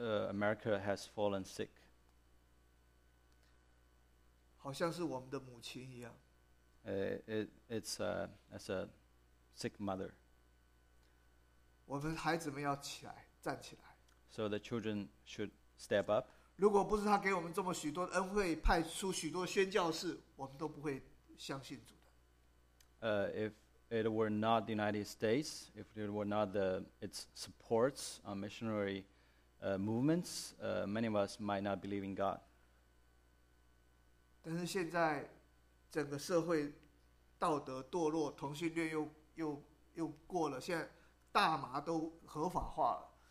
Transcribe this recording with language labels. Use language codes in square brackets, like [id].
[en] America has fallen sick. [zh] 好像是我们的母亲一样。 [en] It's a sick mother. [zh] 我们孩子们要起来，站起来。 [en] So the children should step up. [zh] 如果不是他给我们这么许多恩惠，派出许多宣教士，我们都不会相信主的。 [en] If it were not the United States, if it were not its supports on missionary movements, many of us might not believe in God. [zh] 但是现在整个社会道德堕落，同性恋又过了，现在大麻都合法化了。